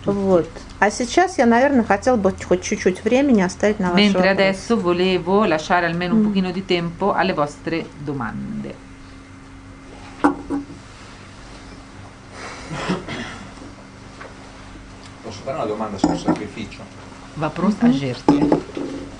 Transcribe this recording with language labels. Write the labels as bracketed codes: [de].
[ru] Вот. А сейчас я, наверное, хотел бы хоть чуть-чуть времени оставить на ваши. [it] Mentre adesso volevo lasciare almeno un pochino di tempo alle vostre domande. Posso fare una domanda sul sacrificio? Va pronto a Gerti.